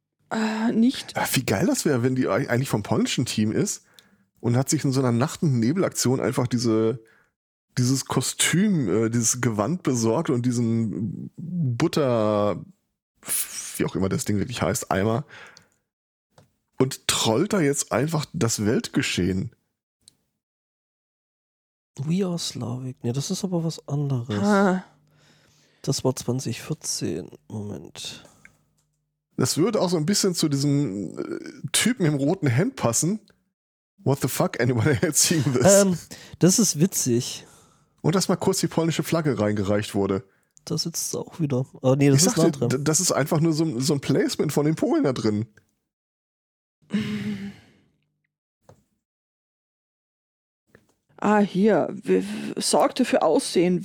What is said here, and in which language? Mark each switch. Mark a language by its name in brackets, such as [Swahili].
[German] Wie geil das wäre, wenn die eigentlich vom polnischen Team ist und hat sich in so einer Nacht- und Nebelaktion einfach dieses Kostüm, dieses Gewand besorgt und diesen Butter, wie auch immer das Ding wirklich heißt, Eimer und trollt da jetzt einfach das Weltgeschehen. [English] We are Slavic. [German] Ja, das ist aber was anderes. Ha. Das war 2014. Moment. Das würde auch so ein bisschen zu diesem Typen im roten Hemd passen. [English] What the fuck, anyone else seeing this? [German] Das ist witzig. Und dass mal kurz die polnische Flagge reingereicht wurde. Da sitzt es auch wieder. Oh, nee, das ist da drin. Das ist einfach nur so ein Placement von den Polen da drin. Ah, hier. Sorgte für Aussehen.